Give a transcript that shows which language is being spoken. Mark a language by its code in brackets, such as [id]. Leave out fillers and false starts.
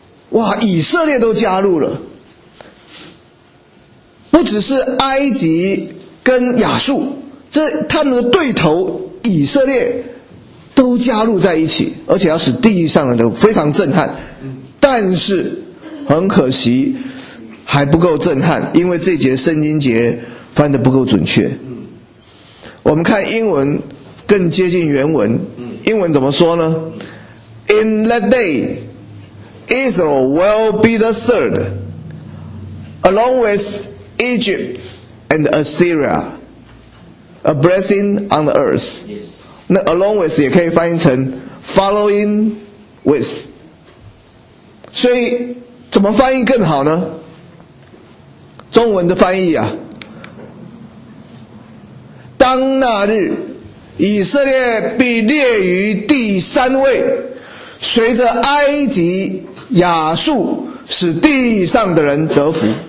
[zh] 哇，以色列都加入了，不只是埃及跟亚述，这他们的对头以色列都加入在一起，而且要使地上的人非常震撼。但是很可惜还不够震撼，因为这节圣经节翻得不够准确。我们看英文更接近原文，英文怎么说呢？ [en] In that day, Israel will be the third, along with Egypt and Assyria, a blessing on the earth. [zh] 那 along with 也可以翻译成 following with. 所以怎么翻译更好呢？中文的翻译啊，当那日，以色列必列于第三位，随着埃及、亚述，使地上的人得福。